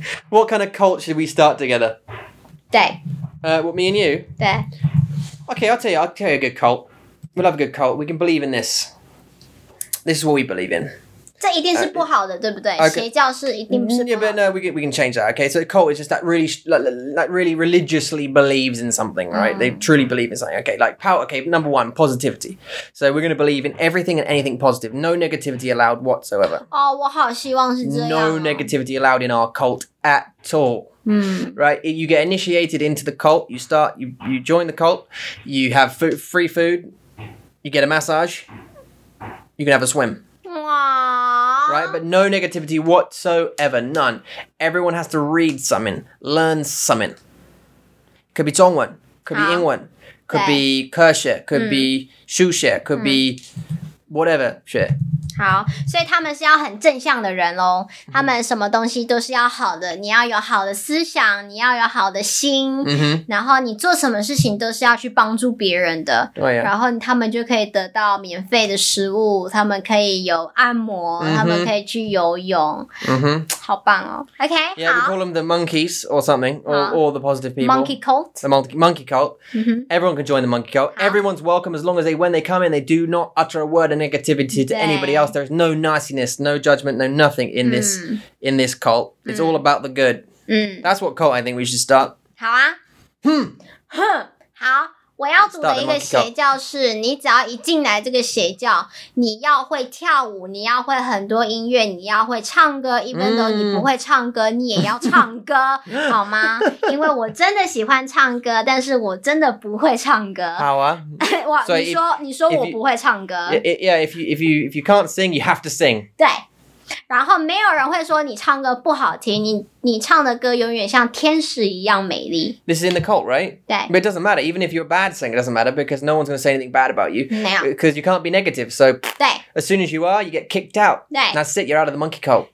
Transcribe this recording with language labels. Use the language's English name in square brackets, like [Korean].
[English] What kind of cult should we start together? [Chinese] 对。 [English] What, me and you? [Chinese] 对。 [English] Okay, I'll tell you a good cult. We'll have a good cult. We can believe in this. This is what we believe in. [Chinese] 这一定是不好的，对不对？ [English] Okay. [Chinese] 邪教是一定不是不好的。 [English] Yeah, but no, we can change that. Okay, so cult is just that really, like really religiously believes in something, right?、Mm. They truly believe in something. Okay, like power. Okay, number one, positivity. So we're going to believe in everything and anything positive. No negativity allowed whatsoever. Oh, [Chinese] 我好希望是这样、哦。 [English] No negativity allowed in our cult at all. Mm. Right, you get initiated into the cult, you start, you join the cult, you have free food, you get a massage, you can have a swim. Aww. Right, but no negativity whatsoever, none. Everyone has to read something, learn something. Could be 中文, could be 英文, could be 科学, could be 数学, could be whatever 学。 [Chinese] 好，所以他们是要很正向的人咯，他们什么东西都是要好的，你要有好的思想，你要有好的心、 mm-hmm. 然后你做什么事情都是要去帮助别人的、 [English] oh, yeah. [Chinese] 然后他们就可以得到免费的食物，他们可以有按摩、mm-hmm. 他们可以去游泳、 mm-hmm. 好棒哦 OK [English] yeah, [Chinese] 好 [English] we call them the monkeys or something or the positive people monkey cult the monkey cult、 mm-hmm. everyone can join the monkey cult everyone's welcome as long as when they come in they do not utter a word of negativity to anybody else there's no nastiness no judgment no nothing in this、mm. in this cult it's、mm. all about the good、 mm. that's what cult I think we should start [Chinese] 好啊、好我要组的一个邪教是你只要一进来这个邪教你要会跳舞你要会很多音乐你要会唱歌 [English] even though [Chinese] 你不会唱歌你也要唱歌好吗因为我真的喜欢唱歌但是我真的不会唱歌好啊哇、 [English] so、 [Chinese] 你说我不会唱歌 [English] yeah if you can't sing you have to sing [Chinese] 对然后没有人会说你唱歌不好听你唱的歌永远像天使一样美丽 [English] This is in the cult, right? [Chinese] 对 [English] But it doesn't matter, even if you're a bad singer, it doesn't matter because no one's going to say anything bad about you Because you can't be negative, so [Chinese] 对 [English] As soon as you are, you get kicked out [Chinese] 对 [English] That's it, you're out of the monkey cult